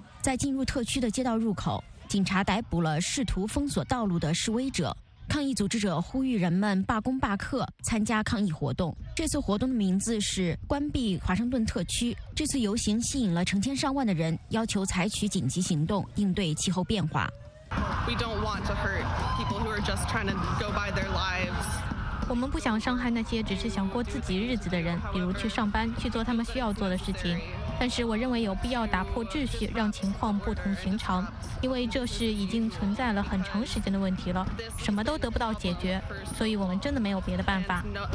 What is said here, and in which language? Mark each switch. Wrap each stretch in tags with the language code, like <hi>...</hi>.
<zh>在进入特区的街道入口，警察逮捕了试图封锁道路的示威者。抗议组织者呼吁人们罢工罢课，参加抗议活动。这次活动的名字是关闭华盛顿特区。这次游行吸引了成千上万的人，要求采取紧急行动应对气候变化。</zh> <en>We don't want to hurt people who are just trying to go by their lives.</en> <zh>我们不想伤害那些只是想过自己日子的人，比如去上班，去做他们需要做的事情。但是我认为有必要打破秩序，让情况不同寻常，因为这是已经存在了很长时间的问题了，什么都得不到解决，所以我们真的没有别的办法。</zh>